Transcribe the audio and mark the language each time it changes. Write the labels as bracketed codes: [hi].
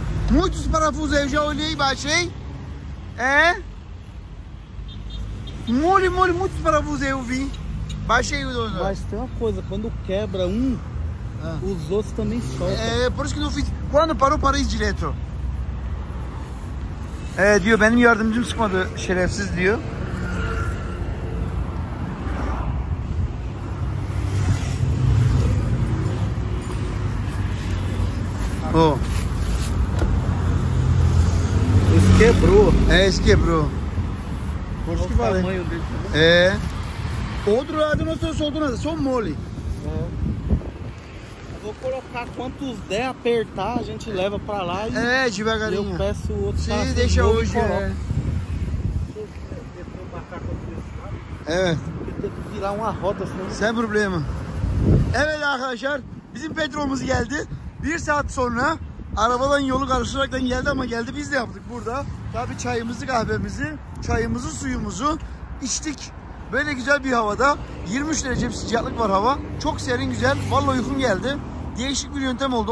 [pt] Muitos parafusos aí, eu já olhei e baixei. É? Mole, mole, muitos parafusos aí eu vi. Baixei os dois. Mas tem uma coisa, quando quebra um, os outros também soltam. É, por isso que não fiz. Quando parou, parei direto. É, [tr] diyor, benim yardımcım sıkmadı, şerefsiz diyor. O. [pt] Esse quebrou. É, esse quebrou. Por isso que falei. Tamanho dele. É. Outro lado não estou solto nada, só mole. Vou colocar quantos der apertar, a gente leva pra lá e. É, devagarinho. Eu peço o outro. Sim, deixa hoje. Deixa eu ver se eu marcar contra lado. É. Eu tenho que virar uma rota assim. Sem problema. [tr] Evet arkadaşlar, bizim Pedro'muz geldi. Bir saat sonra arabadan yolu karıştıraktan geldi ama geldi, biz de yaptık burada. Tabii çayımızı, kahvemizi, çayımızı, suyumuzu içtik. Böyle güzel bir havada. 23 derece bir sıcaklık var hava. Çok serin, güzel. Vallahi uykum geldi. Değişik bir yöntem oldu.